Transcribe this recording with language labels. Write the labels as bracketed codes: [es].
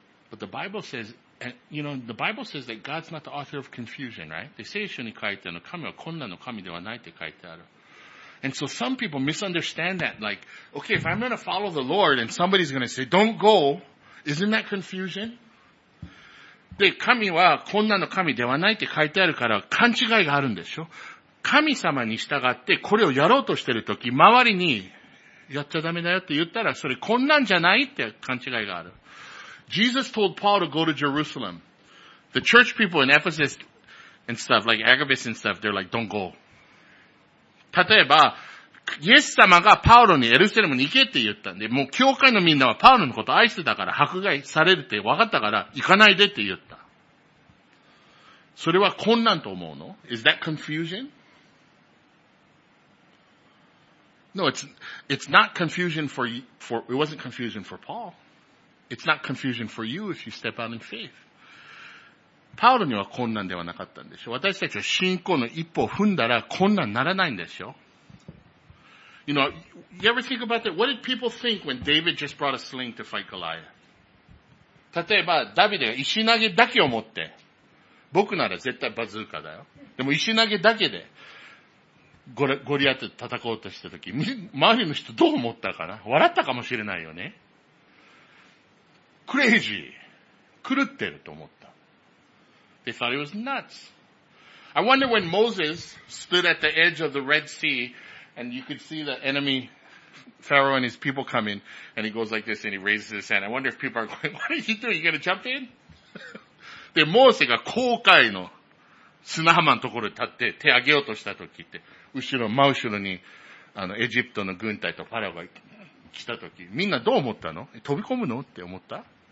[en] But the Bible says, you know, the Bible says that God's not the author of confusion, right? [ja] で、聖書に書いてあるの、神は混乱の神ではないって書いてある。 [en] And so some people misunderstand that, like, okay, if I'm going to follow the Lord and somebody's going to say, don't go, isn't that confusion? [ja] で、神は混乱の神ではないって書いてあるから、勘違いがあるんでしょ？神様に従ってこれをやろうとしてるとき、周りにやっちゃダメだよって言ったら、それ混乱じゃないって勘違いがある。 [en] Jesus told Paul to go to Jerusalem. The church people in Ephesus and stuff, like Agabus and stuff, they're like, don't go. [ja] 例えば、イエス様がパウロにエルサレムに行けって言ったんで、もう教会のみんなはパウロのこと愛してたから迫害されるって分かったから行かないでって言った。それは困難と思うの？ [en] Is that confusion? No, it's not confusion for, it wasn't confusion for Paul. It's not confusion for you if you step out in faith. [ja] パウロには困難ではなかったんでしょ。私たちは信仰の一歩を踏んだら困難にならないんでしょ。 [en] You know, you ever think about that? What did people think when David just brought a sling to fight Goliath? [ja] 例えば、ダビデが石投げだけを持って、僕なら絶対バズーカだよ。でも石投げだけでゴリアテと戦おうとしたとき、周りの人どう思ったかな？笑ったかもしれないよね。クレイジー狂ってると思った。 [en] They thought it was nuts. I wonder when Moses stood at the edge of the Red Sea and you could see the enemy Pharaoh and his people come in and he goes like this and he raises his hand. I wonder if people are going, what are you doing? You gonna jump in? [ja] で、モーセが航海の砂浜のところに立って手上げようとした時って、後ろ、真後ろにエジプトの軍隊とファラオが行って、来た時みんなどう思ったの？飛び込むの？って思った？